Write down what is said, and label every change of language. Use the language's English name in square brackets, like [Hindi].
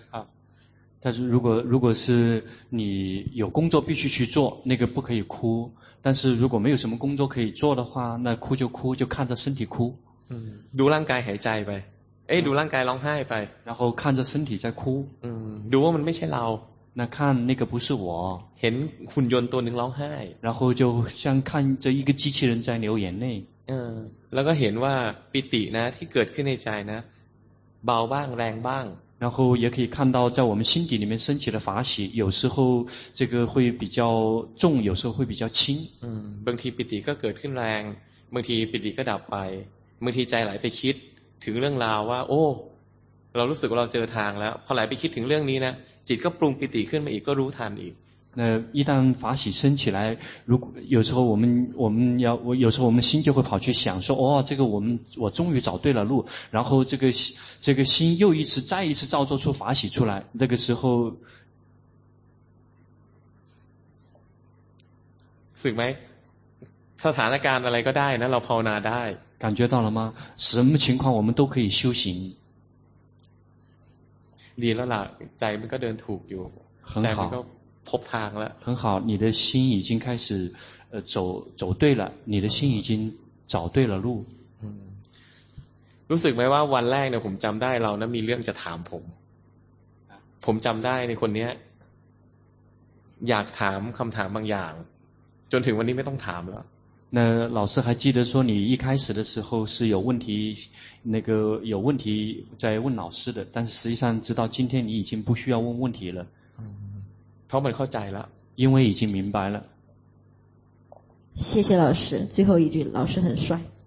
[Chinese] ครับ但是如果是你有工作必须去做那个不可以哭但是如果没有什么工作可以做的话那哭就哭就看着身体哭 [Thai] ดูร่างกายหายใจไปดูร่างกายร้องไห้ไป [Chinese] 然后看着身体在哭 [Thai] ดูว่ามันไม่ใช่เรา [Chinese] 那看那个不是我 [Thai] เห็นหุ่นยนต์ตัวหนึ่งร้องไห้ [Chinese] 然后就像看着一个机器人在流眼泪 [Thai] แล้วก็เห็นว่าปิตินะที่เกิดขึ้นในใจนะเบาบ้างแรงบ้าง [Chinese] 然后也可以看到在我们心底里面升起的法喜有时候这个会比较重有时候会比较轻 [Thai] บางทีปิติก็เกิดขึ้นแรงบางทีปิติก็ดับไปบางทีใจไหลไปคิดถึงเรื่องราวว่าโอ้เรารู้สึกว่าเราเจอทางแล้วพอไหลไปคิดถึงเรื่องนี้นะจิตก็ปรุงปิติขึ้นมาอีกก็รู้ทันอีก [Chinese] 那一旦法喜升起来如果有时候我们要我有时候我们心就会跑去想说哦这个我终于找对了路然后这个心又一次再一次造作出法喜出来那个时候 [Thai] สึกไหมสถานการณ์อะไรก็ได้นะเราภาวนาได้ [Chinese] 感觉到了吗什么情况我们都可以修行 [Thai] ดีแล้วล่ะใจมันก็เดินถูกอยู่ [Chinese] 很好 [Thai] ใจมันก็พบทางแล้ว [Chinese] 很好你的心已经开始走对了你的心已经找对了路 [Thai] รู้สึกไหมว่าวันแรกเนี่ยผมจำได้เรานะมีเรื่องจะถามผมผมจำได้ในคนเนี้ยอยากถามคำถามบางอย่างจนถึงวันนี้ไม่ต้องถามแล้ว [Chinese] 那老师还记得说你一开始的时候是有问题那个有问题在问老师的但是实际上直到今天你已经不需要问问题了 [Thai] เพราะมันเข้าใจแล้ว [Chinese] 因为已经明白了谢谢老师最后一句老师很帅